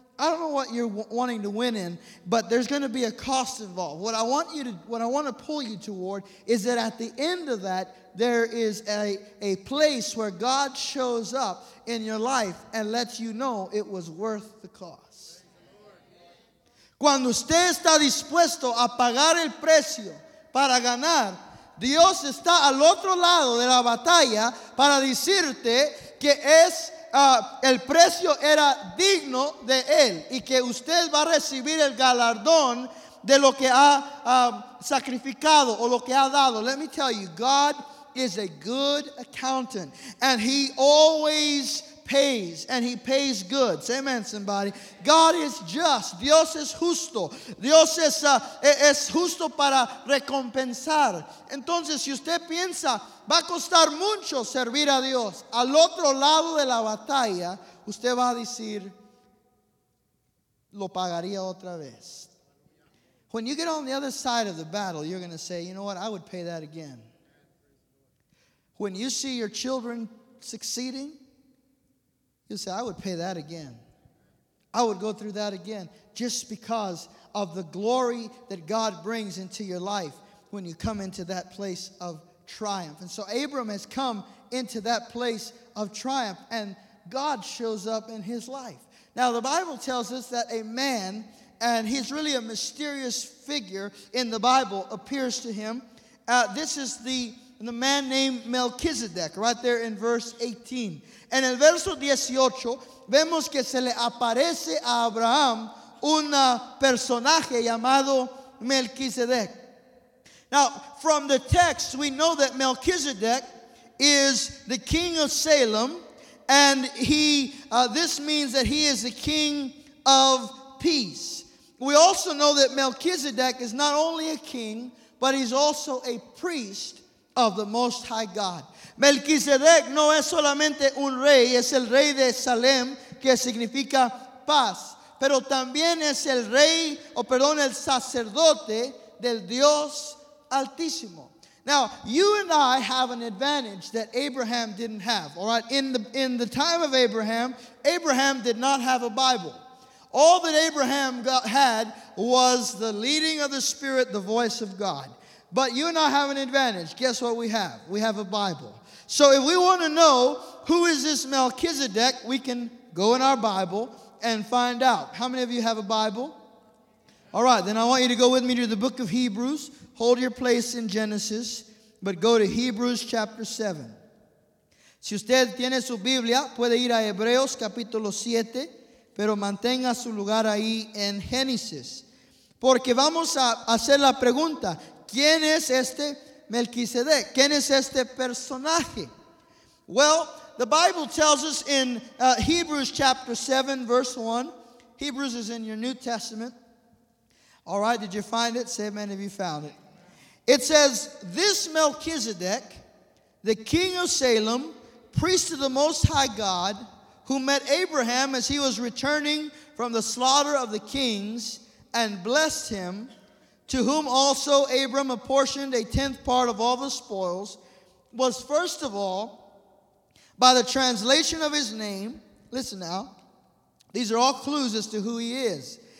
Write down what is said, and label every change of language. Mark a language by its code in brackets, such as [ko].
[en] I don't know what you're wanting to win in, but there's going to be a cost involved. What I want to pull you toward is that at the end of that, there is a place where God shows up in your life and lets you know it was worth the cost. [es] Cuando usted está dispuesto a pagar el precio para ganar, Dios está al otro lado de la batalla para decirte que el precio era digno de él y que usted va a recibir el galardón de lo que ha sacrificado o lo que ha dado. [en] Let me tell you, God is a good accountant and He always pays, and He pays good. Say amen, somebody. God is just. [es] Dios es justo. Dios es justo para recompensar. Entonces, si usted piensa, va a costar mucho servir a Dios, al otro lado de la batalla, usted va a decir, lo pagaría otra vez. [en] When you get on the other side of the battle, you're going to say, you know what, I would pay that again. When you see your children succeeding, you say, I would pay that again. I would go through that again just because of the glory that God brings into your life when you come into that place of triumph. And so Abram has come into that place of triumph, and God shows up in his life. Now, the Bible tells us that a man And he's really a mysterious figure in the Bible, appears to him. This is the man named Melchizedek, right there in verse 18. [es] En el verso 18, vemos que se le aparece a Abraham un personaje llamado Melchizedek. [en] Now, from the text, we know that Melchizedek is the king of Salem, and this means that he is the king of peace. We also know that Melchizedek is not only a king, but he's also a priest of the Most High God. [es] Melchizedek no es solamente un rey, es el rey de Salem, que significa paz, pero también es el rey, el sacerdote del Dios Altísimo. [en] Now, you and I have an advantage that Abraham didn't have, all right? In the time of Abraham, Abraham did not have a Bible. All that Abraham had was the leading of the Spirit, the voice of God. But you and I have an advantage. Guess what we have? We have a Bible. So if we want to know who is this Melchizedek, we can go in our Bible and find out. How many of you have a Bible? All right, then I want you to go with me to the book of Hebrews. Hold your place in Genesis, but go to Hebrews chapter 7. [es] Si usted tiene su Biblia, puede ir a Hebreos capítulo 7, pero mantenga su lugar ahí en Génesis. Porque vamos a hacer la pregunta, ¿quién es este Melquisedec? ¿Quién es este personaje? [en] Well, the Bible tells us in Hebrews chapter 7, verse 1. Hebrews is in your New Testament. All right, did you find it? Say amen if you found it. It says, this Melchizedek, the king of Salem, priest of the Most High God, who met Abraham as he was returning from the slaughter of the kings and blessed him, to whom also Abram apportioned a tenth part of all the spoils, was first of all, by the translation of his name, listen now, these are all clues as to who he is.